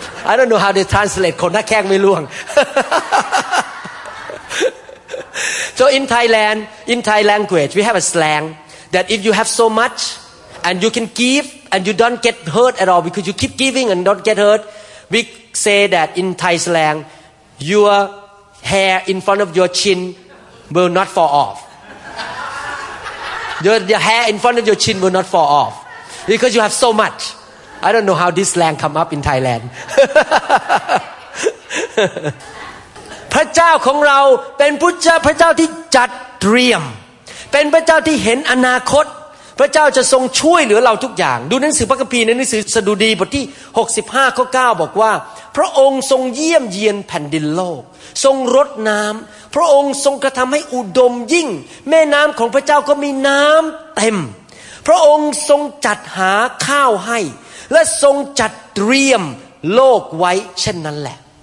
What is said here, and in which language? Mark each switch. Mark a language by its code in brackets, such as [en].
[en] I don't know how they translate [th] ขนหน้าแข้งไม่ล่วง [en] So in Thai language, we have a slang that if you have so much and you can give and you don't get hurt at all because you keep giving and don't get hurt, we say that in Thai slang, your hair in front of your chin will not fall off. Your hair in front of your chin will not fall off because you have so much. I don't know how this slang come up in Thailand. [th] พระเจ้าของเราเป็นพระเจ้าที่จัดเตรียมเป็นพระเจ้าที่เห็นอนาคตพระเจ้าจะทรงช่วยเหลือเราทุกอย่างดูหนังสือพระคัมภีร์ในหนังสือสดุดีบทที่65ข้อ9บอกว่าพระองค์ทรงเยี่ยมเยียนแผ่นดินโลกทรงรดน้ำพระองค์ทรงกระทำให้อุดมยิ่งแม่น้ำของพระเจ้าก็มีน้ำเต็มพระองค์ทรงจัดหาข้าวให้และทรงจัดเตรียมโลกไว้เช่นนั้นแหละ